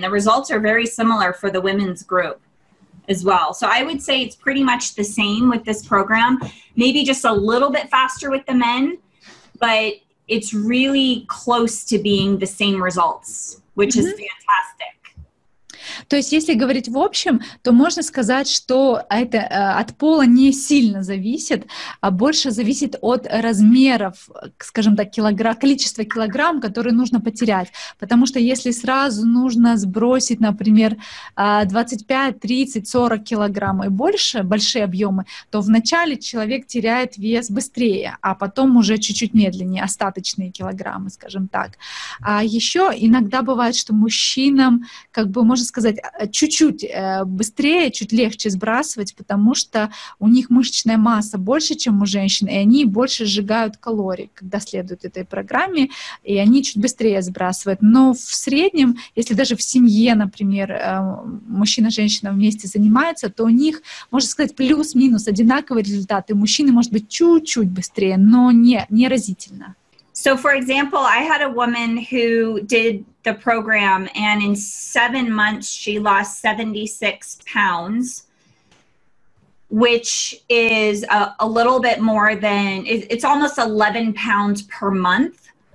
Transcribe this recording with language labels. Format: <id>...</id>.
<en>The results are very similar for the women's group as well. So I would say it's pretty much the same with this program, maybe just a little bit faster with the men, but it's really close to being the same results, which mm-hmm. is fantastic.</en> <ru>То есть, если говорить в общем, то можно сказать, что это от пола не сильно зависит, а больше зависит от размеров, скажем так, количества килограмм, которые нужно потерять. Потому что если сразу нужно сбросить, например, 25, 30, 40 килограмм и больше, большие объемы, то вначале человек теряет вес быстрее, а потом уже чуть-чуть медленнее, остаточные килограммы, скажем так. А еще иногда бывает, что мужчинам, как бы можно сказать, чуть-чуть быстрее, чуть легче сбрасывать, потому что у них мышечная масса больше, чем у женщин, и они больше сжигают калорий, когда следуют этой программе, и они чуть быстрее сбрасывают. Но в среднем, если даже в семье, например, мужчина и женщина вместе занимаются, то у них, можно сказать, плюс-минус одинаковый результат, и мужчины, может быть, чуть-чуть быстрее, но не разительно.</ru> <en>So, for example, I had a woman who did the program, and in 7 months, she lost 76 pounds, which is a little bit more than, it's almost 11 pounds per month.</en>